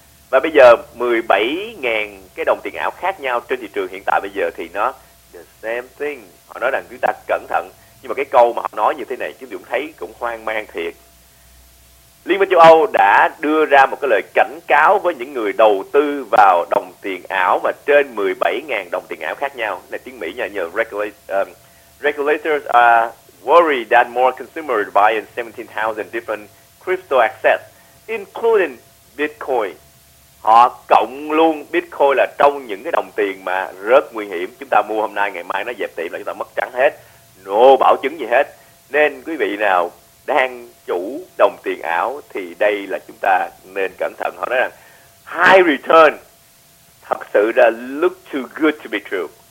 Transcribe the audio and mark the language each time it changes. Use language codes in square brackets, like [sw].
[vi] Và bây giờ 17.000 cái đồng tiền ảo khác nhau trên thị trường hiện tại bây giờ thì nó [en] the same thing. [vi] Họ nói rằng chúng ta cẩn thận, nhưng mà cái câu mà họ nói như thế này chúng cũng thấy cũng hoang mang thiệt. Liên minh châu Âu đã đưa ra một cái lời cảnh cáo với những người đầu tư vào đồng tiền ảo mà trên 17.000 đồng tiền ảo khác nhau. Này tiếng Mỹ nhờ, [en] regulators are worried that more consumers buying 17,000 different crypto assets, including Bitcoin. [vi] Họ cộng luôn Bitcoin là trong những cái đồng tiền mà rất nguy hiểm. Chúng ta mua hôm nay, ngày mai nó dẹp tiệm là chúng ta mất trắng hết. No bảo chứng gì hết. Nên quý vị nào đang chủ đồng tiền ảo thì đây là chúng ta nên cẩn thận. Họ nói rằng [en] high return [vi] thật sự là [en] look too good to be true.